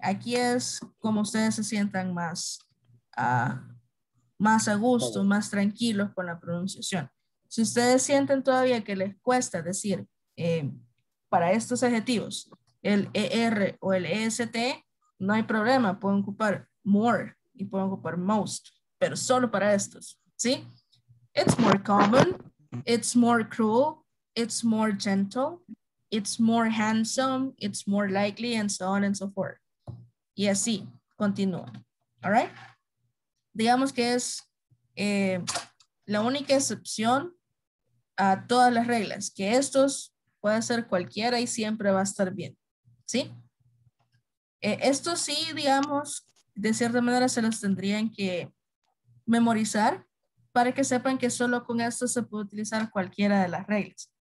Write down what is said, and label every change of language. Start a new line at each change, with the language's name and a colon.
Spanish: Aquí es como ustedes se sientan más, más a gusto, más tranquilos con la pronunciación. Si ustedes sienten todavía que les cuesta decir para estos adjetivos el ER o el EST, no hay problema, pueden ocupar more y pueden ocupar most, pero solo para estos, ¿sí?
English: It's more common, it's more cruel, it's more gentle, it's more handsome, it's more likely, and so on and so forth.
Spanish: Y así continúa.
English: All right?
Spanish: Digamos que es la única excepción a todas las reglas, que estos puede ser cualquiera y siempre va a estar bien. ¿Sí? Esto sí, digamos, de cierta manera se los tendrían que memorizar para que sepan que solo con esto se puede utilizar cualquiera de las reglas.